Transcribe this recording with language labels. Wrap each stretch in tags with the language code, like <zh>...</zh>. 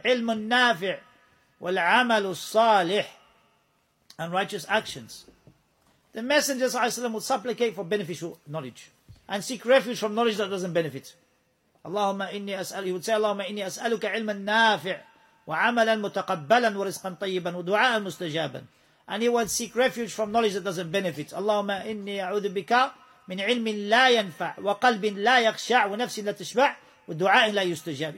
<ar>علم النافع والعمل الصالح</ar> <en>and righteous actions. The Messenger ﷺ would supplicate for beneficial knowledge and seek refuge from knowledge that doesn't benefit.</en> <ar>اللهم إني أسأل.</ar> <en>He would say,</en> <ar>اللهم إني أسألك علما نافع وعملا متقبلا ورزقا طيبا ودعاء مستجابا.</ar> <en>And he would seek refuge from knowledge that doesn't benefit.</en> <ar>اللهم إني أعوذ بك من علم لا ينفع وقلب لا يخشع ونفس لا تشبع ودعاء لا يستجاب.</ar>